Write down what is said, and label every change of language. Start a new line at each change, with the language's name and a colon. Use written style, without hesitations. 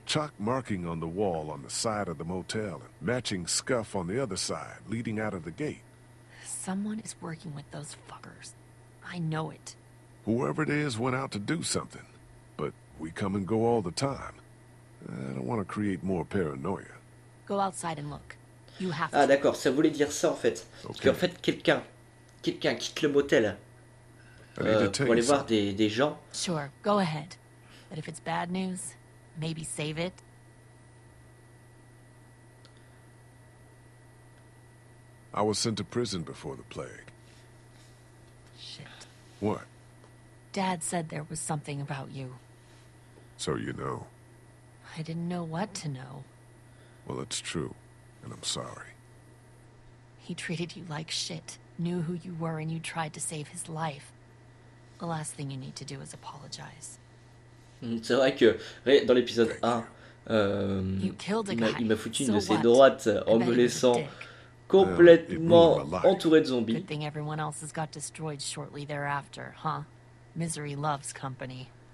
English: Chalk marking on the wall on the side of the motel, and matching scuff on the other side, leading out of the gate. Someone is working with those fuckers. I know it. Whoever it is went out to do something. But we come and go all the time. I don't want to create more paranoia. Go outside and look. You have to.
French: Ah d'accord, ça voulait dire ça en fait. Okay. Que en fait quelqu'un quitte le motel pour aller voir des gens.
English: Sure, go ahead. But if it's bad news, maybe save it. I was sent to prison before the plague. Shit. What? Dad said there was something about you. So you know. I didn't know what to know. Well, it's true, and I'm sorry. He treated you like shit, knew who you were, and you tried to save his life. The last thing you need to do is apologize.
French: C'est vrai que dans l'épisode 1, il m'a foutu une de ses droites en me laissant complètement entouré de zombies.
English: Good thing everyone else has got destroyed shortly thereafter, huh? Misery loves company.